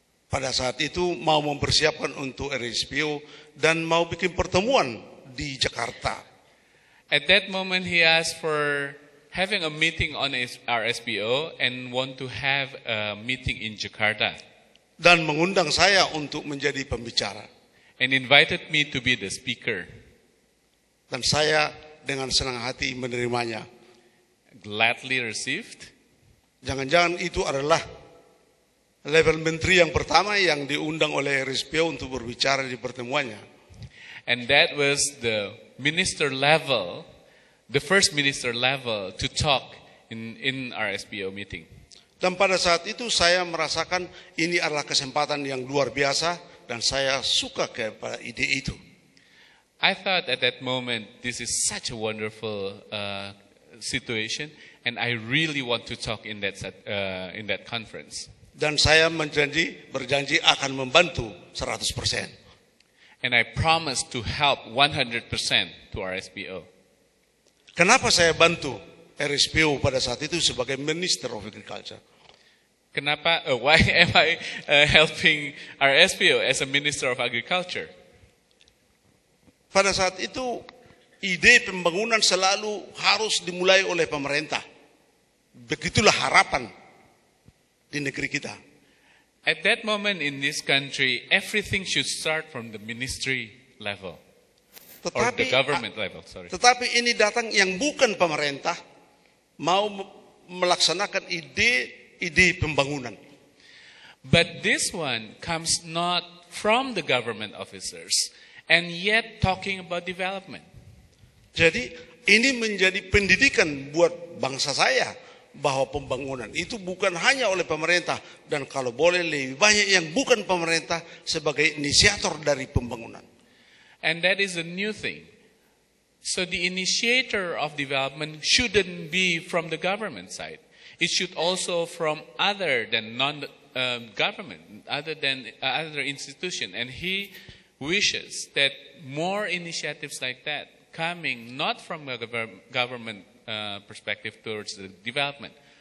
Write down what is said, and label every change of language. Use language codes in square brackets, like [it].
[id] Pada saat itu mau mempersiapkan untuk RSPO dan mau bikin pertemuan di Jakarta. [en] At that moment he asked for having a meeting on RSPO and want to have a meeting in Jakarta. [id] Dan mengundang saya untuk menjadi pembicara. [en] And invited me to be the speaker. [id] Dan saya dengan senang hati menerimanya. [en] Gladly received. [id] Jangan-jangan itu adalah level menteri yang pertama yang diundang oleh RSPO untuk berbicara di pertemuannya. [en] And that was the minister level, the first minister level to talk in RSPO meeting. [id] Dan pada saat itu saya merasakan ini adalah kesempatan yang luar biasa dan saya suka kepada ide itu. [en] I thought at that moment this is such a wonderful situation and I really want to talk in that conference. [id] Dan saya berjanji akan membantu 100%. [en] And I promise to help 100% to RSPO. [id] Kenapa saya bantu RSPO pada saat itu sebagai [en] Minister of Agriculture? Why am I helping RSPO as a Minister of Agriculture? [id] Pada saat itu ide pembangunan selalu harus dimulai oleh pemerintah. Begitulah harapan di negeri kita. [en] At that moment in this country, everything should start from the ministry level. [id] Tetapi, [en] or the government level, sorry. [id] Tetapi ini datang yang bukan pemerintah mau melaksanakan ide pembangunan. [en] But this one comes not from the government officers and yet talking about development. [id] Jadi ini menjadi pendidikan buat bangsa saya. Bahwa pembangunan itu bukan hanya oleh pemerintah dan kalau boleh lebih banyak yang bukan pemerintah sebagai inisiator dari pembangunan. [en] And that is a new thing. So the initiator of development shouldn't be from the government side. It should also from other than non-government, other institution. And he wishes that more initiatives like that coming not from a government perspective towards the development.